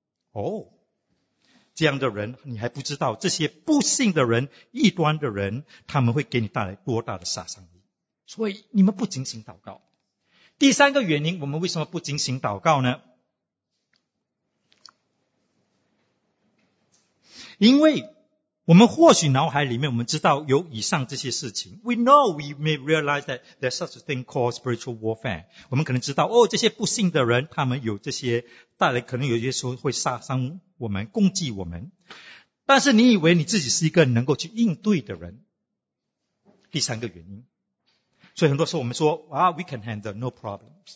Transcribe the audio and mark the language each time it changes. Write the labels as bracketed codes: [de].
[zh] 哦，这样的人你还不知道，这些不幸的人、异端的人，他们会给你带来多大的杀伤力。所以你们不警醒祷告。第三个原因，我们为什么不警醒祷告呢？因为我们或许脑海里面我们知道有以上这些事情。 [en] We know we may realize that there's such a thing called spiritual warfare. [zh] 我们可能知道，哦，这些不幸的人他们有这些带来，可能有些时候会杀伤我们，攻击我们。但是你以为你自己是一个能够去应对的人。第三个原因。所以很多时候我们说，啊， [en] we can handle no problems.